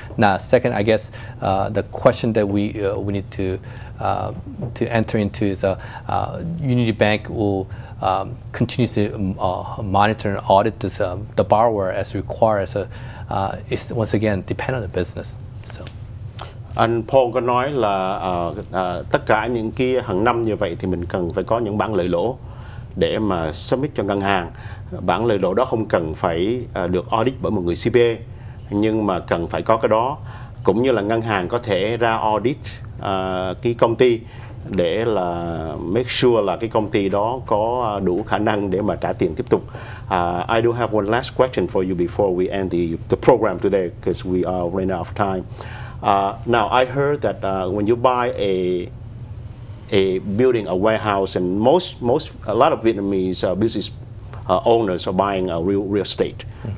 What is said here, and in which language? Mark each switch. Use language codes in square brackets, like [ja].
[en] Now, second, I guess the question that we need to enter into is Unity Bank will continuously monitor and audit the borrower as required. So it's once again depend on the business. So [vi] anh Paul có nói là tất cả những cái hàng năm như vậy thì mình cần phải có những bản lợi lỗ để mà submit cho ngân hàng. Bản lợi lỗ đó không cần phải được audit bởi một người CPA, nhưng mà cần phải có cái đó, cũng như là ngân hàng có thể ra audit cái công ty để là [en] make sure [vi] là cái công ty đó có đủ khả năng để mà trả tiền tiếp tục. [en] I do have one last question for you before we end the program today, because we are running out of time. Now I heard that when you buy a building, a warehouse, and most a lot of Vietnamese business owners are buying a real estate, mm-hmm.